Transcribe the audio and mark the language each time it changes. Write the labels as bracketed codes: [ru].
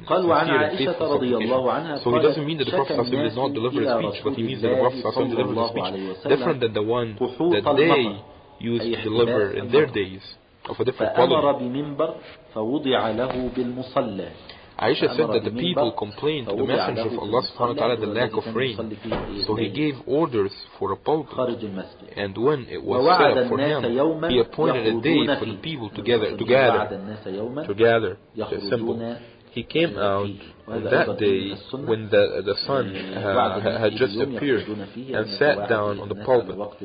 [ar] قال وعن عائشة رضي الله عنها [en] so he doesn't mean that the Prophet [ar] صلى الله عليه وسلم [en] did not deliver his speech, but he means that the Prophet صلى الله عليه وسلم delivered his speech different than the one that they used to deliver in their days of a different quality. [ar] فأمر بمنبر فوضع له بالمصلى. [en] Aisha said that the people complained to the Messenger of Allah subhanahu wa ta'ala the lack of rain. So he gave orders for a pulpit. And when it was set up for him, he appointed a day for the people to gather the assembly. He came out that day when the sun had just appeared and sat down on the pulpit.